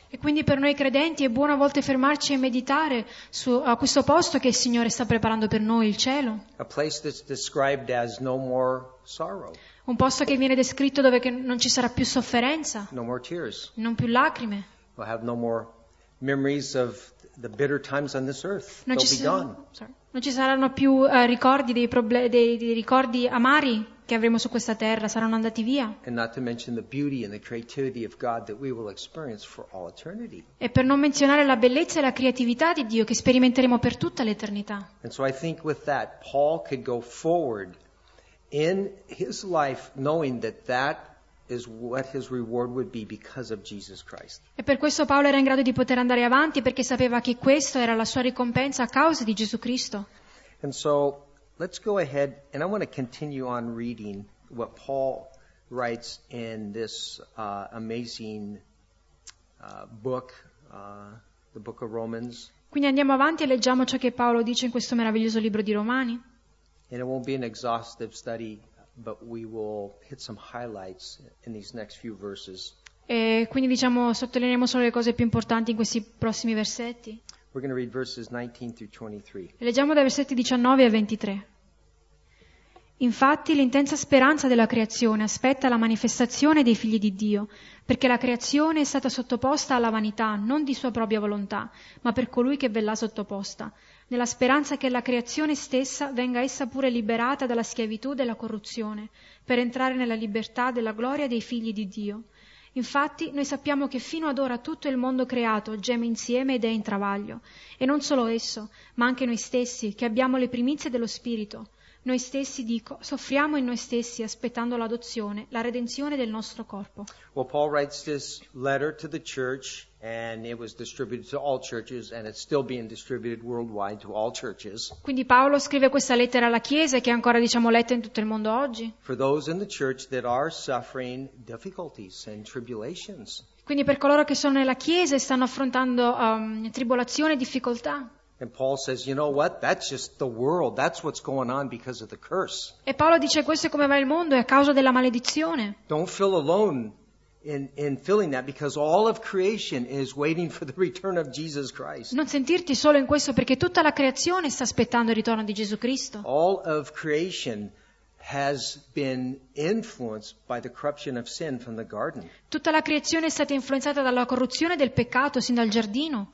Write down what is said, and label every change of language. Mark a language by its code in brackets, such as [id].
[it] E quindi per noi credenti è buono a volte fermarci e meditare su a questo posto che il Signore sta preparando per noi, il cielo. [en] A place that's described as no more sorrow. [it] Un posto che viene descritto dove che non ci sarà più sofferenza. [en] No more tears. [it] Non più lacrime. [en] We'll have no more memories of the bitter times on this earth. [it] Non ci saranno più ricordi dei ricordi amari che avremo su questa terra, saranno andati via. [en] And not to mention the beauty and the creativity of God that we will experience for all eternity. [it] E per non menzionare la bellezza e la creatività di Dio che sperimenteremo per tutta l'eternità. [en] And so I think with that Paul could go forward in his life knowing that is what his reward would be because of Jesus Christ. [it] E per questo Paolo era in grado di poter andare avanti, perché sapeva che questo era la sua ricompensa a causa di Gesù Cristo. [en] And so let's go ahead, and I want to continue on reading what Paul writes in this amazing book, the book of Romans. [it] Quindi andiamo avanti e leggiamo ciò che Paolo dice in questo meraviglioso libro di Romani. [en] And it won't be an exhaustive study, but we will hit some highlights in these next few verses. [it] E quindi, diciamo, sottolineeremo solo le cose più importanti in questi prossimi versetti. [en] We're going to read verses 19 through 23. [it] E leggiamo dai versetti 19 a 23. Infatti, l'intensa speranza della creazione aspetta la manifestazione dei figli di Dio, perché la creazione è stata sottoposta alla vanità, non di sua propria volontà, ma per colui che ve l'ha sottoposta, nella speranza che la creazione stessa venga essa pure liberata dalla schiavitù della corruzione, per entrare nella libertà della gloria dei figli di Dio. Infatti, noi sappiamo che fino ad ora tutto il mondo creato geme insieme ed è in travaglio, e non solo esso, ma anche noi stessi, che abbiamo le primizie dello Spirito. Noi stessi, dico, soffriamo in noi stessi, aspettando l'adozione, la redenzione del nostro corpo. [en] Well, Paul writes this letter to the church, and it was distributed to all churches, and it's still being distributed worldwide to all churches. [it] Quindi Paolo scrive questa lettera alla Chiesa, che è ancora, diciamo, letta in tutto il mondo oggi. [en] For those in the church that are suffering difficulties and tribulations. [it] Quindi per coloro che sono nella Chiesa e stanno affrontando tribolazione e difficoltà. [en] And Paul says, you know what? That's just the world. That's what's going on because of the curse. [it] E Paolo dice, questo è come va il mondo, è a causa della maledizione. [en] Don't feel alone in feeling that, because all of creation is waiting for the return of Jesus Christ. [it] Non sentirti solo in questo, perché tutta la creazione sta aspettando il ritorno di Gesù Cristo. [en] All of creation has been influenced by the corruption of sin from the garden. [it] Tutta la creazione è stata influenzata dalla corruzione del peccato sin dal giardino.